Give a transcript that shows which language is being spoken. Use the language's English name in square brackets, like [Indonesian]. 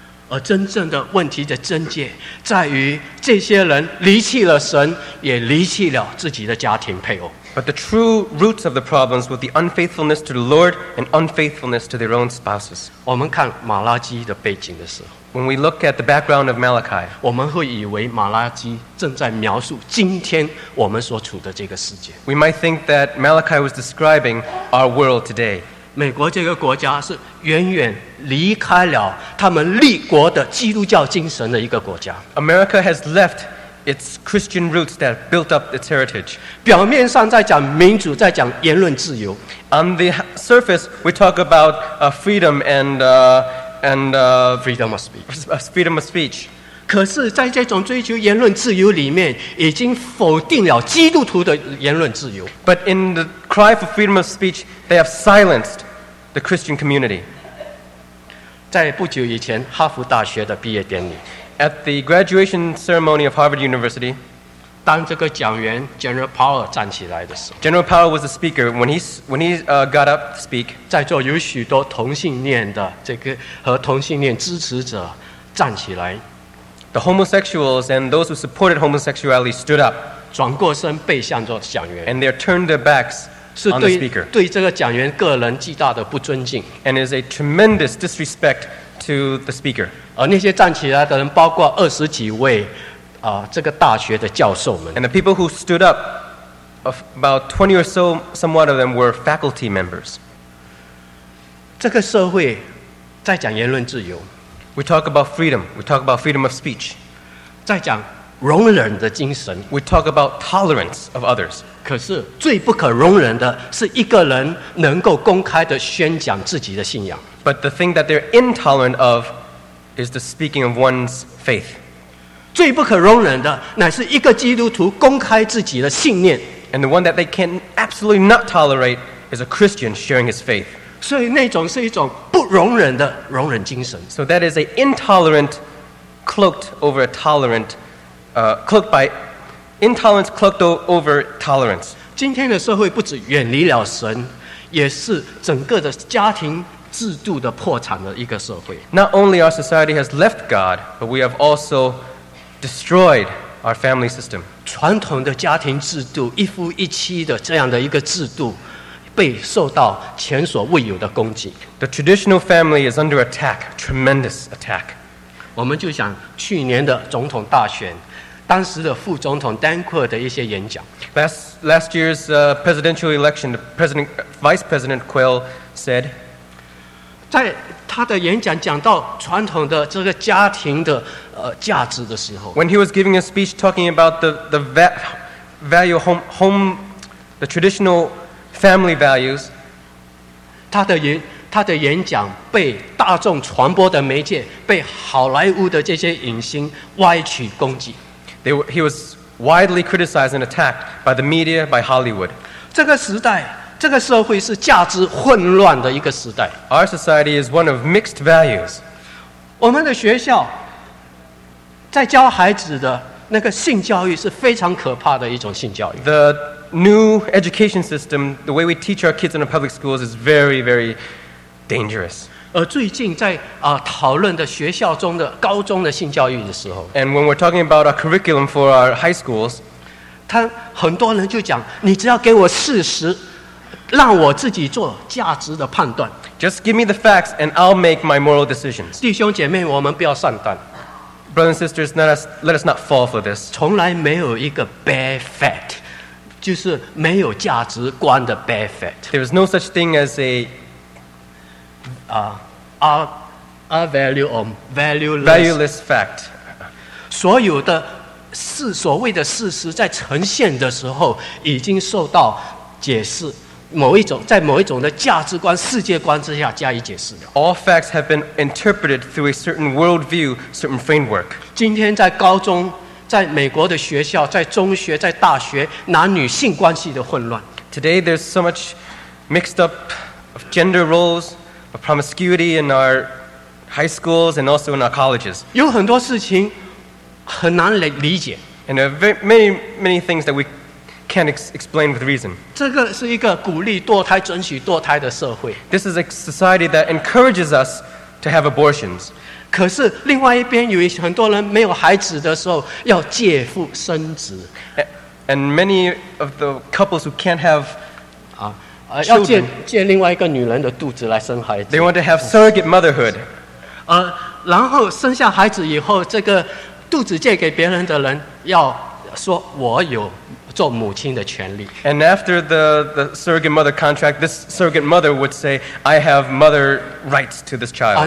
[Chinese] 而真正的问题的症结在于这些人离弃了神，也离弃了自己的家庭配偶。 [English] But the true roots of the problems were the unfaithfulness to the Lord and unfaithfulness to their own spouses. [Chinese] 我们看马拉基的背景的时候， [English] when we look at the background of Malachi, [Chinese] 我们会以为马拉基正在描述今天我们所处的这个世界。 [English] We might think that Malachi was describing our world today. [Chinese] 美国这个国家是远远离开了他们立国的基督教精神的一个国家。 [English] America has left its Christian roots that built up its heritage. [Chinese] 表面上在讲民主，在讲言论自由。 [English] On the surface, we talk about freedom and freedom of speech. Freedom of speech. [Chinese] 可是，在这种追求言论自由里面，已经否定了基督徒的言论自由。 [English] But in the cry for freedom of speech. They have silenced the Christian community. [Chinese] 在不久以前，哈佛大学的毕业典礼， [English] at the graduation ceremony of Harvard University, [Chinese] 当这个讲员 General Powell 站起来的时候， [English] General Powell was the speaker when he got up to speak. [Chinese] 在座有许多同性恋的这个和同性恋支持者站起来， [English] the homosexuals and those who supported homosexuality stood up. [Chinese] 转过身背向着讲员， [English] and they turned their backs. [Chinese] 是 对这个讲员个人极大的不尊敬 [English] ，and is a tremendous disrespect to the speaker。 [Chinese] 而那些站起来的人，包括二十几位，这个大学的教授们 [English] ，and the people who stood up, about 20 or so, somewhat of them were faculty members。 [Chinese] 这个社会在讲言论自由 [English] ，we talk about freedom, we talk about freedom of speech， [Chinese] 在讲容忍的精神 [English] ，we talk about tolerance of others。 [Chinese] 可是最不可容忍的是一个人能够公开的宣讲自己的信仰。 [English] But the thing that they're intolerant of is the speaking of one's faith. [Chinese] 最不可容忍的乃是一个基督徒公开自己的信念。 [English] And the one that they can absolutely not tolerate is a Christian sharing his faith. [Chinese] 所以那种是一种不容忍的容忍精神。 [English] So that is an intolerant cloaked over a tolerant, cloaked by. Intolerance cloaked over tolerance. [Chinese] 今天的社会不止远离了神，也是整个的家庭制度的破产的一个社会。 [English] Not only our society has left God, but we have also destroyed our family system. [Chinese] 传统的家庭制度，一夫一妻的这样的一个制度，被受到前所未有的攻击。 [English] The traditional family is under attack, tremendous attack. [Chinese] 我们就想去年的总统大选。当时的副总统 Dan Quayle 的一些演讲。 [English] Last year's presidential election, Vice President Quayle said, [Chinese] 在他的演讲讲到传统的这个家庭的价值的时候 [English] ，When he was giving a speech talking about the value home the traditional family values, [Chinese] 他的演讲被大众传播的媒介被好莱坞的这些影星歪曲攻击。 [English] He was widely criticized and attacked by the media, by Hollywood. [Chinese] 这个时代，这个社会是价值混乱的一个时代。 [English] Our society is one of mixed values. [Chinese] 我们的学校在教孩子的那个性教育是非常可怕的一种性教育。 [English] The new education system, the way we teach our kids in our public schools is very, very dangerous. [Chinese] 而最近在讨论的学校中的高中的性教育的时候 [English] ，And when we're talking about our curriculum for our high schools， [Chinese] 他很多人就讲，你只要给我事实，让我自己做价值的判断。 [English] Just give me the facts and I'll make my moral decisions。 [Chinese] 弟兄姐妹，我们不要上当。 [English] Brothers and sisters, let us not fall for this。 [Chinese] 从来没有一个 [English] bad fact， [Chinese] 就是没有价值观的 bad fact。 [English] There is no such thing as a valueless fact. [Chinese] 所有的事，所谓的事实，在呈现的时候，已经受到解释，某一种在某一种的价值观、世界观之下加以解释。 [English] All facts have been interpreted through a certain worldview, certain framework. [Chinese] 今天在高中，在美国的学校，在中学，在大学，男女性关系的混乱。 [English] Today there's so much mixed up of gender roles. A promiscuity in our high schools and also in our colleges. [Chinese] 有很多事情很难理解。 [English] And there are many, many things that we can't explain with reason. [Chinese] 这个是一个鼓励堕胎、准许堕胎的社会。 [English] This is a society that encourages us to have abortions. [Chinese] 可是另外一边，有很多人没有孩子的时候要借腹生子。 [English] And many of the couples who can't have children, they want to have surrogate motherhood. [Chinese] 然后生下孩子以后, 这个肚子借给别人的人要说我有做母亲的权利。 [English] And after the surrogate mother contract, this surrogate mother would say, I have mother rights to this child.